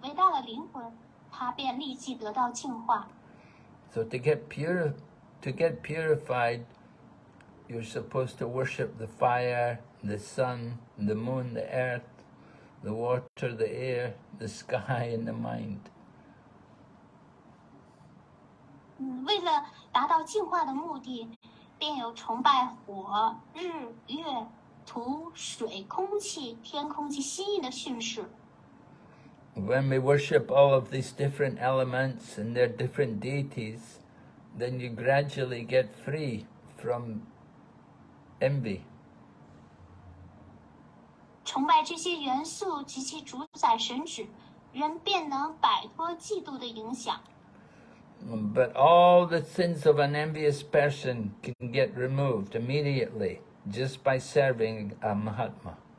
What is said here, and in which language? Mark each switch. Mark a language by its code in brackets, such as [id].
[zh] 但是如果他能够拜会至尊云歌首神的代表，伟大的奉献者，伟大的灵魂，他便立即得到净化。 [en] So to get purified, you're supposed to worship the fire, the sun, the moon, the earth, the water, the air, the sky, and the mind. [zh] 为了达到净化的目的，便有崇拜火、日、月、土、水、空气、天空及心意的训示。 [en] When we worship all of these different elements and their different deities, then you gradually get free from envy. [zh] 崇拜这些元素及其主宰神旨，人便能摆脱嫉妒的影响。 [en] But all the sins of an envious person can get removed immediately just by serving a Mahatma.